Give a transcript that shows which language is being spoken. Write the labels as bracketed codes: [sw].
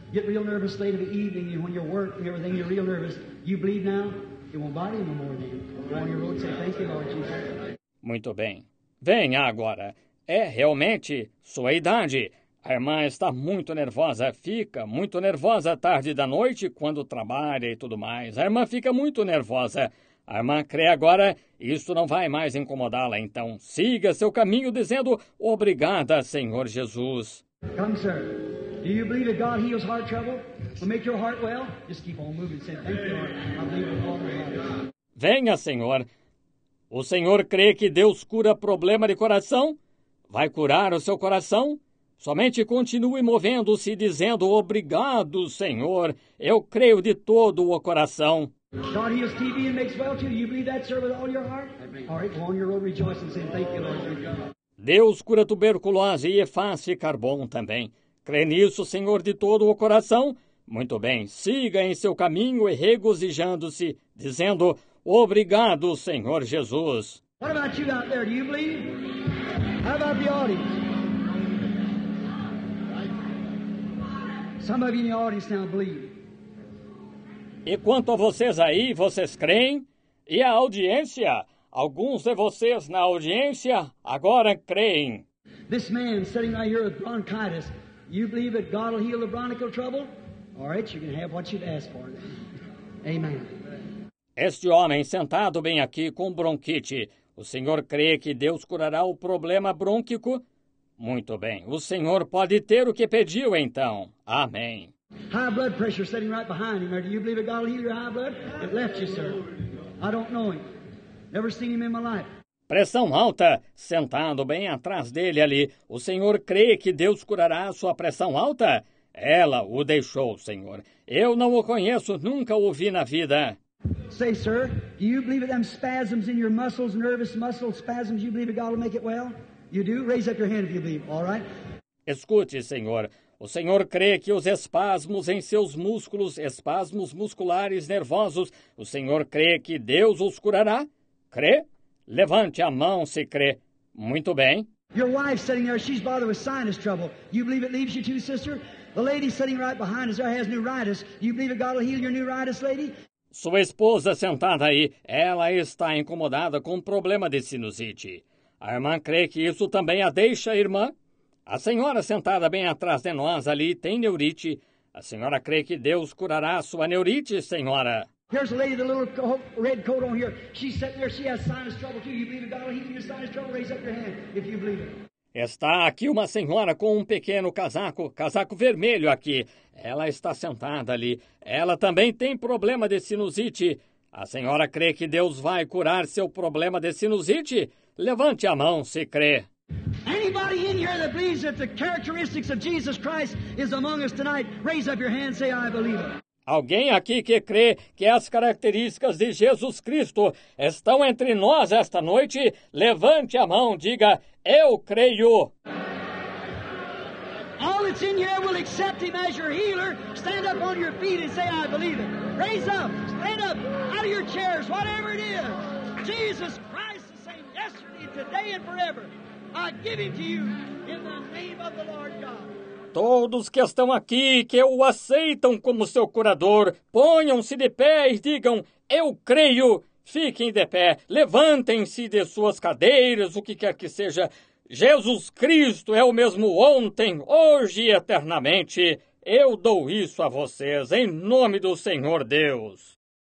[en] Get real nervous late in the evening when you're working and everything. You're real nervous. You bleed now? It won't bother you no more, do you? Go on your road, say thank you, Lord Jesus. [pt] Muito bem. Venha agora. É realmente sua idade. A irmã está muito nervosa. Fica muito nervosa tarde da noite quando trabalha e tudo mais. A irmã fica muito nervosa. A irmã crê agora. Isso não vai mais incomodá-la. Então siga seu caminho dizendo: obrigada, Senhor Jesus. [en] Come, sir. Do you believe that God heals heart trouble? Will make your heart well? Just keep on moving. Say thank you, Lord. I believe with all my heart. [pt] Venha, Senhor. O Senhor crê que Deus cura problema de coração? Vai curar o seu coração? Somente continue movendo-se dizendo: obrigado, Senhor. Eu creio de todo o coração. [en] God heals TB and makes well too. You believe that, sir, with all your heart? All right, go on your own rejoicing, saying thank you, Lord. [pt] Deus cura tuberculose e faz ficar bom também. Crê nisso, Senhor, de todo o coração? Muito bem, siga em seu caminho e regozijando-se, dizendo: obrigado, Senhor Jesus. [en] What about you out there? Do you believe? How about the audience? Some of you in the audience now believe. [pt] E quanto a vocês aí, vocês creem? E a audiência? Alguns de vocês na audiência agora creem. [en] This man sitting right here with bronchitis, you believe that God will heal the bronchial trouble? All right, you can have what you've asked for. Amen. [pt] Este homem sentado bem aqui com bronquite, o senhor crê que Deus curará o problema brônquico? Muito bem, o senhor pode ter o que pediu então. Amém. [en] High blood pressure sitting right behind him. Do you believe that God will heal your high blood? It left you, sir. I don't know him. Never seen him in my life. [pt] Pressão alta, sentado bem atrás dele ali, o senhor crê que Deus curará a sua pressão alta? Ela o deixou, senhor. Eu não o conheço, nunca o vi na vida. [en] Say, sir, do you believe in them spasms in your muscles, nervous muscles, spasms, you believe that God will make it well? You do? Raise up your hand if you believe, all right? [pt] Escute, senhor. O senhor crê que os espasmos em seus músculos, espasmos musculares nervosos, o senhor crê que Deus os curará? Crê? Levante a mão se crê. Muito bem. [en] Your wife sitting there, she's bothered with sinus trouble. You believe it leaves you too, sister? The lady sitting right behind us, there has neuritis. You believe that God will heal your neuritis, lady? [pt] Sua esposa sentada aí, ela está incomodada com um problema de sinusite. A irmã crê que isso também a deixa, irmã? A senhora sentada bem atrás de nós ali tem neurite. A senhora crê que Deus curará a sua neurite, senhora? [en] Here's a lady with a little red coat on here. She's sitting there, she has sinus trouble too. You believe that God will heal your sinus trouble? Raise up your hand if you believe it. [pt] Está aqui uma senhora com um pequeno casaco, casaco vermelho aqui. Ela está sentada ali. Ela também tem problema de sinusite. A senhora crê que Deus vai curar seu problema de sinusite? Levante a mão se crê. [en] Anybody in here that believes that the characteristics of Jesus Christ is among us tonight, raise up your hand and say I believe it. [pt] Alguém aqui que crê que as características de Jesus Cristo estão entre nós esta noite, levante a mão, diga, eu creio. [en] All that's in here will accept him as your healer. Stand up on your feet and say, I believe it. Raise up, stand up, out of your chairs, whatever it is. Jesus Christ is saying yesterday, today and forever. I give him to you in the name of the Lord God. [pt] Todos que estão aqui, que o aceitam como seu curador, ponham-se de pé e digam, eu creio. Fiquem de pé, levantem-se de suas cadeiras, o que quer que seja. Jesus Cristo é o mesmo ontem, hoje e eternamente. Eu dou isso a vocês, em nome do Senhor Deus.